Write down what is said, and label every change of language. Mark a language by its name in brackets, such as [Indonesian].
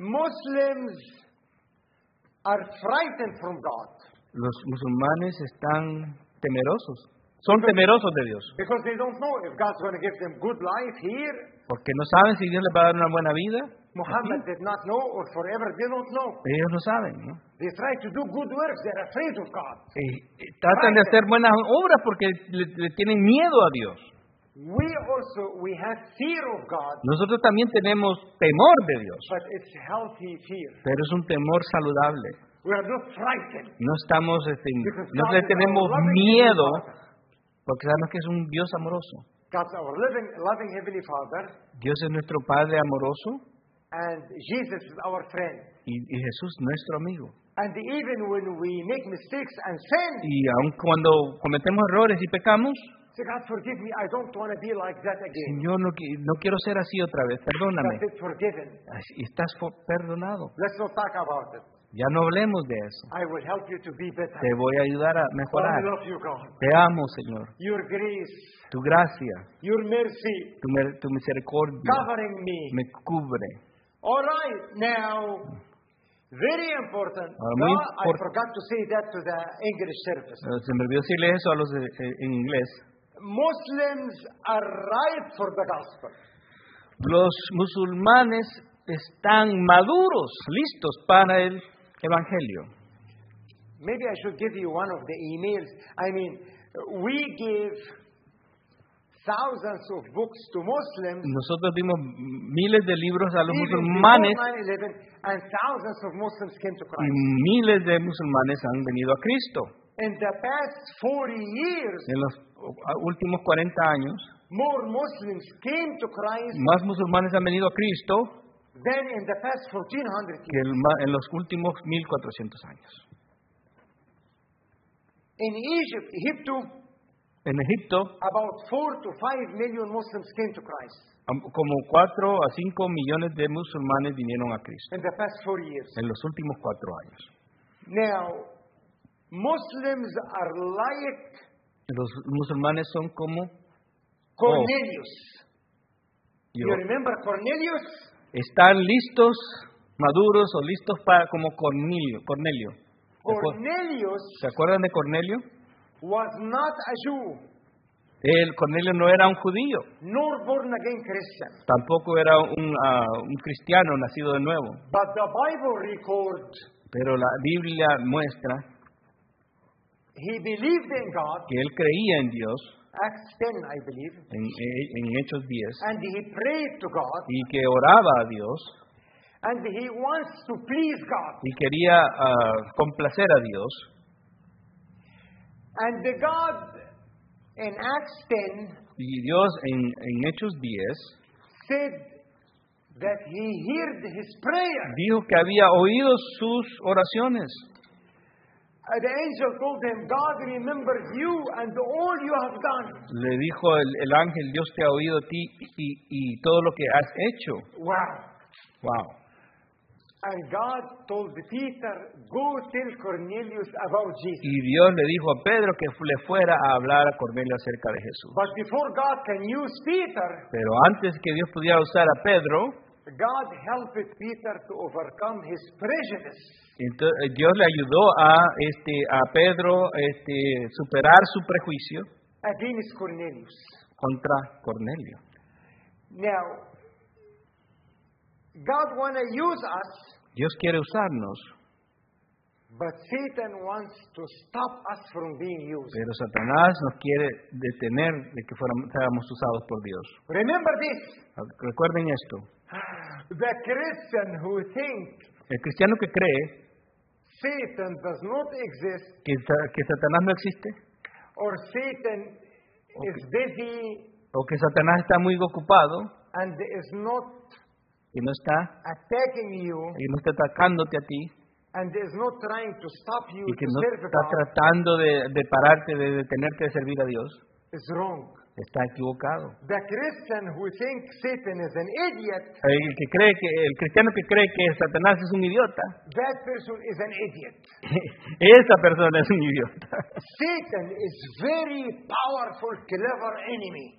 [English] Muslims are frightened from God. [Spanish] Los musulmanes están temerosos. Son temerosos de Dios. [English] Because they don't know if God's going to give them good life here. [Spanish] Porque no saben si Dios les va a dar una buena vida. [English] Muhammad did not know, or forever they don't know. [Spanish] Ellos no saben, ¿no? [English] They try to do good works. They are afraid of God. [Spanish] Tratan de hacer buenas obras porque le tienen miedo a Dios. [English] We have fear of God. [Spanish] Nosotros también tenemos temor de Dios. [English] But it's healthy fear. [Spanish] Pero es un temor saludable. [English] We are not frightened. [Spanish] No estamos, no le tenemos miedo, porque sabemos que es un Dios amoroso. [English] God's our loving heavenly Father. [Spanish] Dios es nuestro Padre amoroso. [English] And Jesus is our friend. [Spanish] Y Jesús nuestro amigo. [English] And even when we make mistakes and sin. [Spanish] Y aun cuando cometemos errores y pecamos. [English] Say, God, forgive me. I don't want to be like that again. [Spanish] Señor, no quiero ser así otra vez. Perdóname. [English] That's it, forgiven. [Spanish] Estás perdonado. [English] Let's not talk about it. [Spanish] Ya no hablemos de eso. [English] I will help you to be better. [Spanish] Te voy a ayudar a mejorar. [English] I love you, God. [Spanish] Te amo, Señor. [English] Your grace. [Spanish] Tu gracia. [English] Your mercy. [Spanish] Tu misericordia. [English] Covering me. [Spanish] Me cubre. [English] All right, now, very important. I forgot to say that to the English service. [Spanish] Se me olvidó decirle eso a los en inglés. [English] Muslims are ripe for the gospel. [Spanish] Los musulmanes están maduros, listos para el evangelio. [English] Maybe I should give you one of the emails. I mean, we give thousands of books to Muslims. [Spanish] Nosotros dimos miles de libros a los musulmanes. [English] And thousands of Muslims came to Christ. [Spanish] Y miles de musulmanes han venido a Cristo. [English] In the past 40 years, [Spanish] en los últimos 40 años, [English] more Muslims came to Christ. [Spanish] Más musulmanes han venido a Cristo. [English] Then in the past 1400 years. [Spanish] En los últimos 1400 años. [English] In Egypt, [Spanish] En Egipto, [English] about 4 to 5 million Muslims came to Christ. [Spanish] Como 4 a 5 millones de musulmanes vinieron a Cristo. [English] In the past 40 years. [Spanish] En los últimos 4 años. [English] Now, Muslims are like. [Spanish] Los musulmanes son como [English] Cornelius. Oh. You remember Cornelius? [Spanish] Están listos, maduros o listos para como Cornelio. [English] Cornelius. [Spanish] ¿Se acuerdan de Cornelio? [English] Was not a Jew. [Spanish] El Cornelio no era un judío. [English] Nor born again Christian. [Spanish] Tampoco era un cristiano nacido de nuevo. [English] But the Bible records, [Spanish] pero la Biblia muestra, [English] he believed in God, [Spanish] que él creía en Dios. [English] Acts 10, I believe. [Spanish] En Hechos 10. [English] And he prayed to God, [Spanish] y que oraba a Dios. [English] And he wants to please God. [Spanish] Y quería complacer a Dios. [English] And the God in Acts 10, [Spanish] y Dios en Hechos 10 [English] said that he heard his prayer. [Spanish] Dijo que había oído sus oraciones. [English] The angel told him, God remembers you and all you have done. [Spanish] Le dijo el ángel, Dios te ha oído a ti y todo lo que has hecho. [English] Wow. And God told Peter, go tell Cornelius about Jesus. [Spanish] Y Dios le dijo a Pedro que le fuera a hablar a Cornelio acerca de Jesús. [English] But before God can use Peter, [Spanish] pero antes que Dios pudiera usar a Pedro, [English] God helped Peter to overcome his prejudice. [Spanish] Entonces, Dios le ayudó a Pedro superar su prejuicio [English] against Cornelius. [Spanish] Contra Cornelio. [English] Now, God wanna use us, [Spanish] Dios quiere usarnos, [English] but Satan wants to stop us from being used. [Spanish] Pero Satanás nos quiere detener de que seamos usados por Dios. [English] Remember this. [Spanish] Recuerden esto. [English] The Christian who thinks, [Spanish] el cristiano que cree, [English] Satan does not exist, [Spanish] que Satanás no existe, [English] or Satan is busy, [Spanish] o que Satanás está muy ocupado, [English] and is not, [Spanish] y no está [English] attacking you, [Spanish] y no está atacándote a ti, [English] and is not trying to stop you, [Spanish] y que no [English] serve [Spanish] está [English] God, [Spanish] tratando de pararte, de detenerte de servir a Dios, [English] is wrong. [Spanish] Está equivocado. [English] The Christian who thinks Satan is an idiot, [Spanish] el cristiano que cree que Satanás es un idiota, [English] that person is an idiot. [Spanish] Esa persona es un idiota. [English] Satan is very powerful, clever enemy.